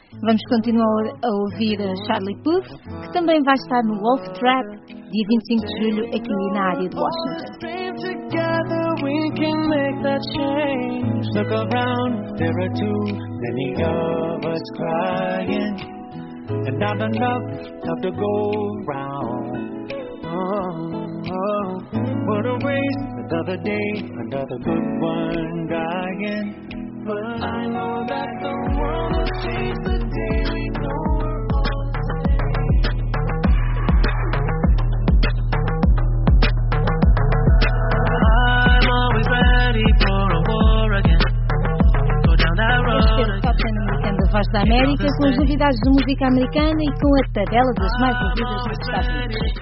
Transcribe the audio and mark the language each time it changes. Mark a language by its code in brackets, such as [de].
[pt] Vamos continuar a ouvir Charlie Puth, que também vai estar no Wolf Trap, dia 25 de julho, aqui na área de Washington. [en] And not enough to go round. Oh, oh, what a waste, another day, another good one dying. But I know that the world will change the day we know. I'm always ready for a war again. [pt] Voz da América, com as novidades de música americana e com a tabela das mais ouvidas dos Estados Unidos.